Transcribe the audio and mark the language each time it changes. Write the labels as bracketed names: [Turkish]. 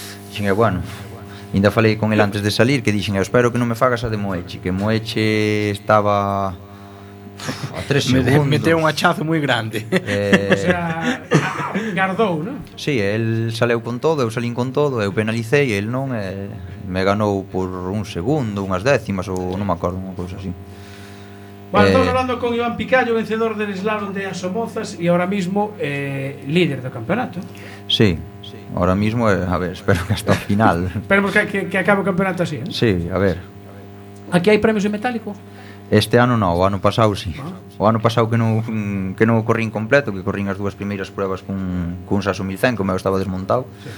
[Galician] Xen, bueno, ainda falei con el antes de salir, que dixen, espero que non me fagas a de Moeche, que Moeche estaba a tres segundos. Meteu un hachazo moi grande. O sea, gardou, non? Si, sí, el saleu con todo, eu salín con todo, eu penalicei, el non, me ganou por un segundo, unhas décimas, ou non me acordo, unha cousa así. [Spanish] Bueno, estamos hablando con Iván Picallo, vencedor del slalom de Asomozas e ahora mismo líder do campeonato. [Galician] Sí, ahora mismo, a ver, espero que hasta o final. Esperemos que acabe o campeonato así, ¿eh? Sí, a ver. Aquí hai premios en metálico? Este ano non, o ano pasado sí. O ano pasado que non corrín completo, que corrín as dúas primeiras pruebas cun Saso 1100, como eu estaba desmontado.